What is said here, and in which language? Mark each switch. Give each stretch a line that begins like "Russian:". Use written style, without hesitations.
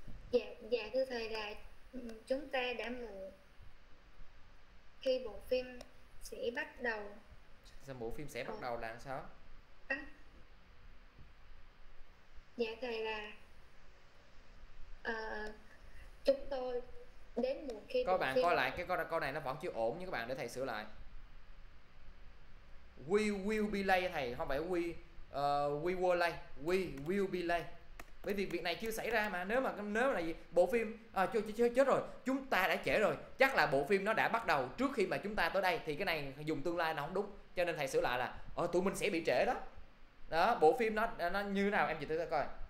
Vietnamese: Dạ, dạ thưa thầy là chúng ta đã muộn khi bộ phim sẽ bắt đầu. Sao bộ phim sẽ bắt đầu là sao? Dạ thầy là chúng tôi đến muộn khi các bạn coi lại cái câu này nó vẫn chưa ổn nhưng các bạn để thầy sửa lại.
English: We will be late
Vietnamese: thầy, không phải
English: we were late, we will be late.
Vietnamese: Bởi vì việc này chưa xảy ra mà, nếu mà là gì? Bộ phim chết rồi, chúng ta đã trễ rồi, chắc là bộ phim nó đã bắt đầu trước khi mà chúng ta tới đây, thì cái này dùng tương lai nó không đúng, cho nên thầy sửa lại là tụi mình sẽ bị trễ đó. Đó, bộ phim nó như thế nào em chỉ thử coi.